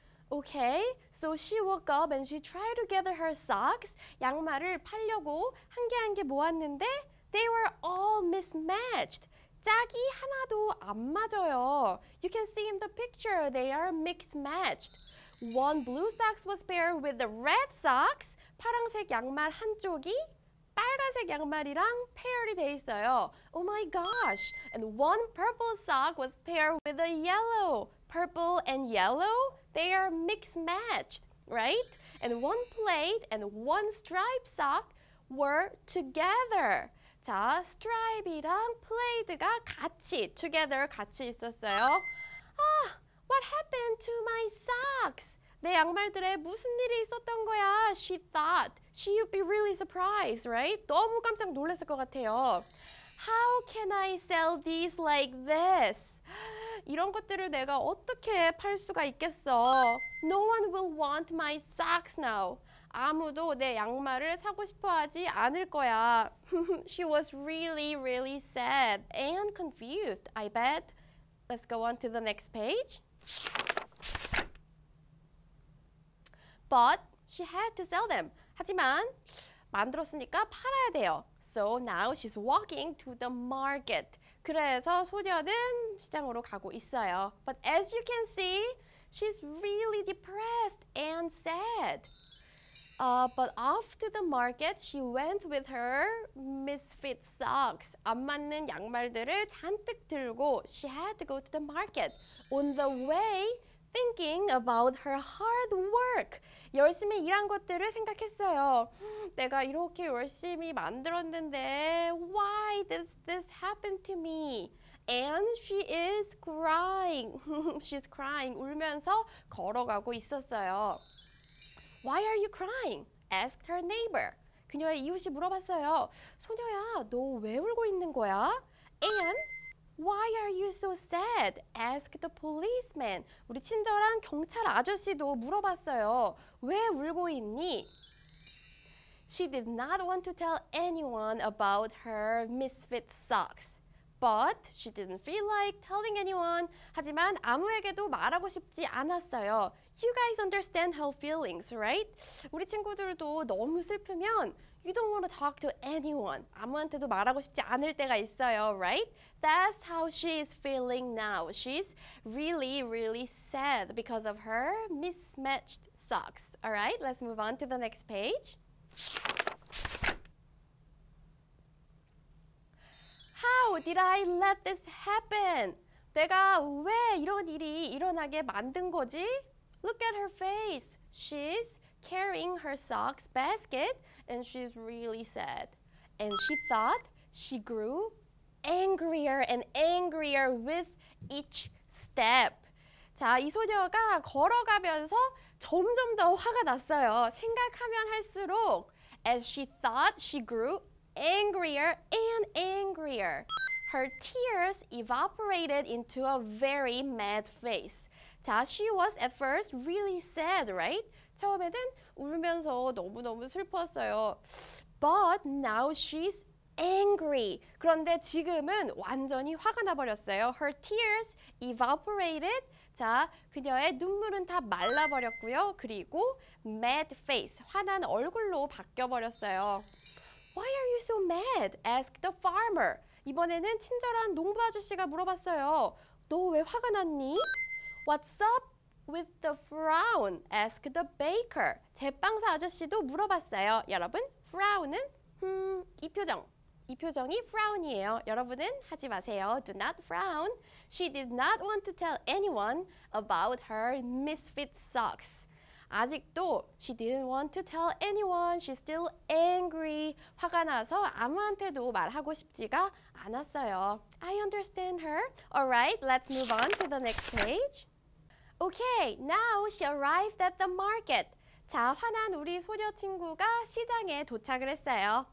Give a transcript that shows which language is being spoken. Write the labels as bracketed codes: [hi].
[en] Okay, so she woke up and she tried to gather her socks. [ko] 양말을 팔려고 한 개 한 개 모았는데 [en] they were all mismatched. [ko] 짝이 하나도 안 맞아요. [en] You can see in the picture they are mismatched. One blue socks was paired with the red socks. [ko] 파란색 양말 한쪽이 빨간색 양말이랑 페어리 돼 있어요. [en] Oh my gosh! And one purple sock was paired with a yellow. Purple and yellow, they are mismatched, right? And one plaid and one striped sock were together. [ko] 자, 스트라이프랑 플레이드가 같이, together 같이 있었어요. [en] Ah, what happened to my socks? [ko] 내 양말들에 무슨 일이 있었던 거야? [en] She thought she would be really surprised, right? [ko] 너무 깜짝 놀랐을 것 같아요. [en] How can I sell these like this? [ko] 이런 것들을 내가 어떻게 팔 수가 있겠어? [en] No one will want my socks now. [ko] 아무도 내 양말을 사고 싶어 하지 않을 거야. [en] She was really, really sad and confused, I bet. Let's go on to the next page. But she had to sell them. [ko] 하지만 만들었으니까 팔아야 돼요. [en] So now she's walking to the market. [ko] 그래서 소녀는 시장으로 가고 있어요. [en] But as you can see, she's really depressed and sad. But off to the market, she went with her misfit socks. [ko] 안 맞는 양말들을 잔뜩 들고 [en] she had to go to the market. On the way, thinking about her hard work. [ko] 열심히 일한 것들을 생각했어요. 내가 이렇게 열심히 만들었는데 [en] why does this happen to me? And she is crying. She's crying. [ko] 울면서 걸어가고 있었어요. [en] Why are you crying? Asked her neighbor. [ko] 그녀의 이웃이 물어봤어요. 소녀야, 너 왜 울고 있는 거야? [en] And why are you so sad? Asked the policeman. [ko] 우리 친절한 경찰 아저씨도 물어봤어요. 왜 울고 있니? [en] She did not want to tell anyone about her misfit socks. But she didn't feel like telling anyone. [ko] 하지만 아무에게도 말하고 싶지 않았어요. [en] You guys understand her feelings, right? [ko] 우리 친구들도 너무 슬프면 [en] you don't want to talk to anyone. [ko] 아무한테도 말하고 싶지 않을 때가 있어요, [en] right? That's how she is feeling now. She's really, really sad because of her mismatched socks. All right, let's move on to the next page. did I let this happen? [ko] 내가 왜 이런 일이 일어나게 만든 거지? [en] Look at her face. She's carrying her socks basket and she's really sad. And she thought she grew angrier and angrier with each step. [ko] 자, 이 소녀가 걸어가면서 점점 더 화가 났어요. 생각하면 할수록 [en] as she thought she grew angrier and angrier. Her tears evaporated into a very mad face. 자, she was at first really sad, right? [ko] 처음에는 울면서 너무너무 슬펐어요. [en] But now she's angry. [ko] 그런데 지금은 완전히 화가 나버렸어요. [en] Her tears evaporated. [ko] 자, 그녀의 눈물은 다 말라버렸고요. 그리고 [en] mad face, [ko] 화난 얼굴로 바뀌어버렸어요. [en] Why are you so mad? Asked the farmer. [ko] 이번에는 친절한 농부 아저씨가 물어봤어요. 너 왜 화가 났니? [en] What's up with the frown? Asked the baker. [ko] 제빵사 아저씨도 물어봤어요. 여러분, frown은 이 표정. 이 표정이 frown이에요. 여러분은 하지 마세요. [en] Do not frown. She did not want to tell anyone about her misfit socks. [ko] 아직도 [en] she didn't want to tell anyone. She's still angry. [ko] 화가 나서 아무한테도 말하고 싶지가 않았어요. [en] I understand her. All right, let's move on to the next page. Okay, now she arrived at the market. [ko] 자, 화난 우리 소녀 친구가 시장에 도착을 했어요.